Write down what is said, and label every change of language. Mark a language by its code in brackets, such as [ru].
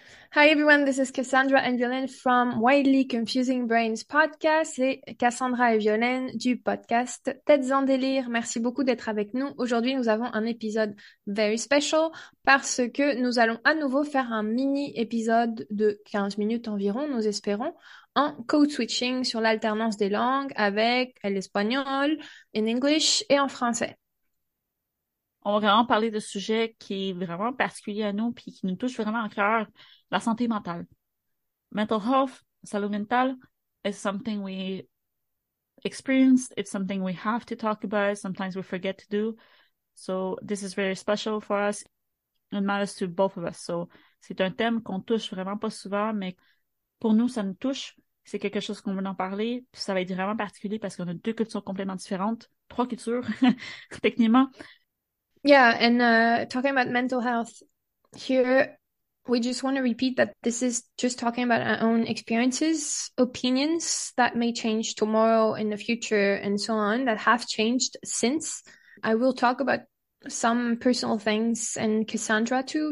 [en] Hi everyone, this is Cassandra and Violaine from Wildly Confusing Brains podcast. [fr] C'est Cassandra et Violaine du podcast Têtes en délire. Merci beaucoup d'être avec nous. Aujourd'hui, nous avons un épisode [en] very special [fr] parce que nous allons à nouveau faire un mini épisode de 15 minutes environ, nous espérons, en code switching sur l'alternance des langues avec l'espagnol, en English et en français. On va vraiment parler de sujet qui est vraiment particulier à nous puis qui nous touche vraiment à cœur. La santé mentale. [en] Mental health, [es] salut mental, [en] is something we experience. It's something we have to talk about. Sometimes we forget to do. So this is very special for us. It matters to both of us. [fr] So c'est un thème qu'on touche vraiment pas souvent, mais pour nous, ça nous touche. C'est quelque chose qu'on veut en parler. Puis ça va être vraiment particulier parce qu'on a deux cultures complètement différentes. Trois cultures, techniquement. [en] Yeah, and talking about mental health here, we just want to repeat that this is just talking about our own experiences, opinions that may change tomorrow, in the future, and so on, that have changed since. I will talk about some personal things and Cassandra too.